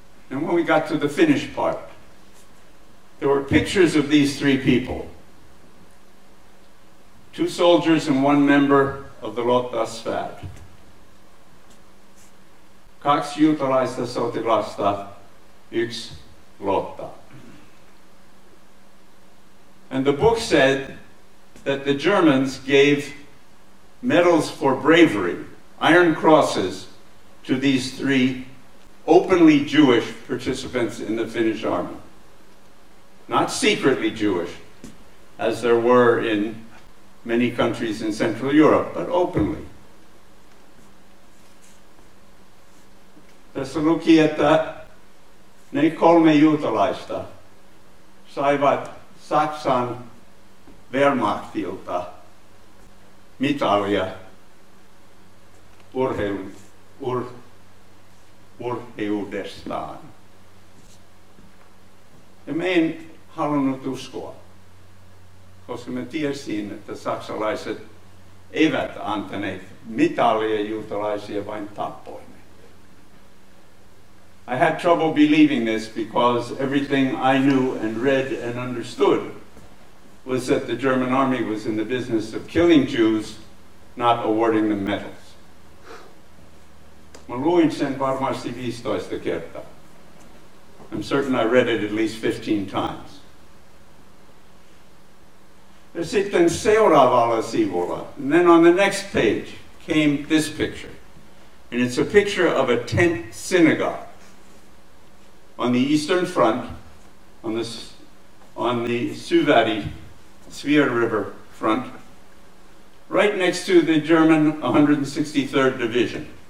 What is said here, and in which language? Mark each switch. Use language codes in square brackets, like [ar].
[en] And when we got to the Finnish part, there were pictures of these three people. Two soldiers and one member of the Lotta Svärd. [fi] Kaksi juutalaista sotilasta, yksi Lotta. [en] And the book said that the Germans gave medals for bravery, iron crosses, to these three openly Jewish participants in the Finnish army. Not secretly Jewish, as there were in many countries in Central Europe, but openly. [fi] Tässä luki, että ne kolme juutalaista saivat Saksan Wehrmachtilta mitalia urheudestaan. Ja me en halunnut uskoa, koska me tiesin, että saksalaiset eivät antaneet mitalia juutalaisia vain tappoimme. [en] I had trouble believing this because everything I knew and read and understood was that the German army was in the business of killing Jews, not awarding them medals. [fi] Mä luin sen varmasti 15 kertaa. [en] I'm certain I read it at least 15 times. [fi] Ja sitten seuraavalla sivulla, [en] and then on the next page, came this picture. And it's a picture of a tent synagogue on the Eastern Front, on the Suvari Svir River front, right next to the German 163rd Division.